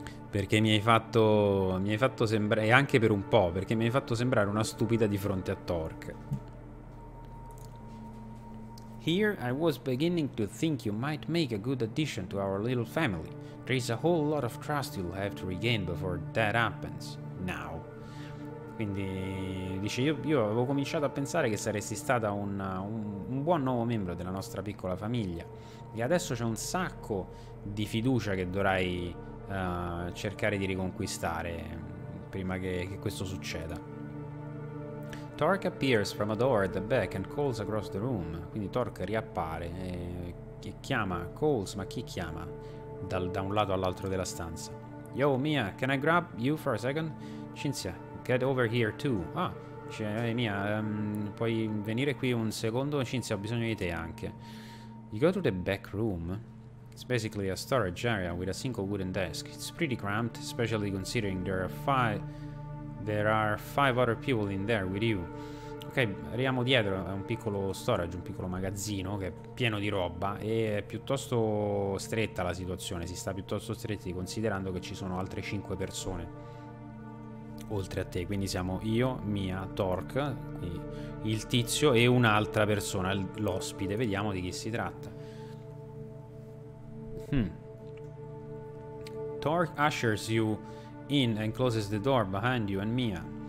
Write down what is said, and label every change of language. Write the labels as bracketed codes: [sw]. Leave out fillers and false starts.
[it] Perché mi hai fatto sembrare, e anche per un po', perché mi hai fatto sembrare una stupida di fronte a Torque. [en] Here I was beginning to think you might make a good addition to our little family. There is a whole lot of trust you'll have to regain before that happens. Now. [it] Quindi dice, io avevo cominciato a pensare che saresti stata un buon nuovo membro della nostra piccola famiglia. E adesso c'è un sacco di fiducia che dovrai cercare di riconquistare prima che questo succeda. [en] Torque appears from a door at the back and calls across the room. [it] Quindi Torque riappare e chiama, calls, ma chi chiama da un lato all'altro della stanza? [en] Yo, Mia, can I grab you for a second? Cinzia, get over here too. [it] Ah, cioè, Mia, puoi venire qui un secondo? Cinzia, ho bisogno di te anche. [en] You go to the back room. It's basically a storage area with a single wooden desk. It's pretty cramped, especially considering there are five other people in there with you. [it] Ok, arriviamo dietro, è un piccolo storage, un piccolo magazzino che è pieno di roba e è piuttosto stretta la situazione, si sta piuttosto stretti considerando che ci sono altre 5 persone oltre a te, quindi siamo io, Mia, Torque, il tizio e un'altra persona, l'ospite, vediamo di chi si tratta. [en] Torque ushers you in and closes the door behind you and Mia.